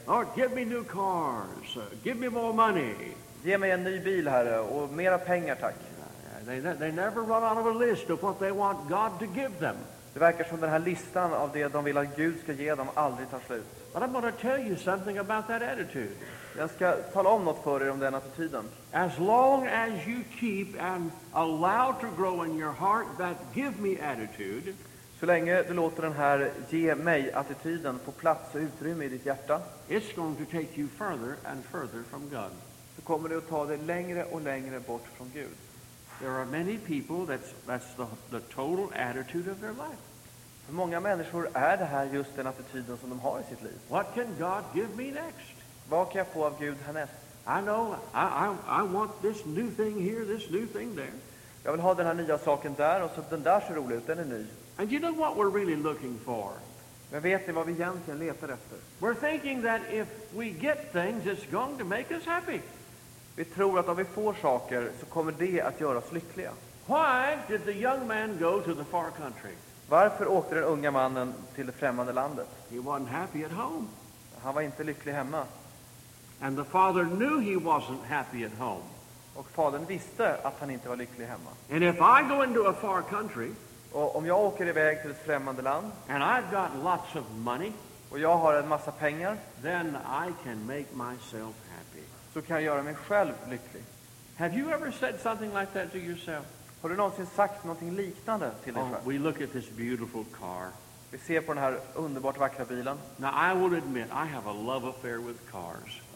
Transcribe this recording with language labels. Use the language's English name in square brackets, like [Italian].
[English] Or give me new cars, give me more money. [Swedish] Ge mig en ny bil, Herre, och mera pengar, tack. [English] They never run out of a list of what they want God to give them. [Swedish] Det verkar som den här listan av det de vill att Gud ska ge dem aldrig tar slut. [English] But I'm going to tell you something about that attitude. [Swedish] Jag ska tala om något för er om den attityden. [English] As long as you keep and allow to grow in your heart that give me attitude. [Swedish] Så länge du låter den här ge mig attityden få plats och utrymme i ditt hjärta. [English] It's going to take you further and further from God. [Swedish] Så kommer du att ta dig längre och längre bort från Gud. [English] There are many people that's the total attitude of their life. [Swedish] För många människor är det här just den attityden som de har i sitt liv. [English] What can God give me next? [Swedish] Vad kan jag få av Gud härnäst? [English] I know I want this new thing here, this new thing there. [Swedish] Jag vill ha den här nya saken där och så den där ser rolig ut, den är ny. [English] And you know what we're really looking for? [Swedish] Men vet ni vad vi egentligen letar efter? [English] We're thinking that if we get things, it's going to make us happy. [Swedish] Vi tror att om vi får saker så kommer det att göra oss lyckliga. [English] Why did the young man go to the far country? [Swedish] Varför åkte den unga mannen till det främmande landet? [English] He wasn't happy at home. [Swedish] Han var inte lycklig hemma. [English] And the father knew he wasn't happy at home. [Swedish] Och fadern visste att han inte var lycklig hemma. [English] And if I go into a far country, [Swedish] och om jag åker iväg till ett främmande land, [English] and I've got lots of money, [Swedish] och jag har en massa pengar, [English] then I can make myself happy. [Swedish] så kan jag göra mig själv lycklig. [English] Have you ever said something like that to yourself? [Swedish] Har du någonsin sagt någonting liknande till dig själv? [English] We look at this beautiful car. [Swedish] Vi ser på den här underbart vackra bilen. [English] Now I will admit I have a love affair with cars.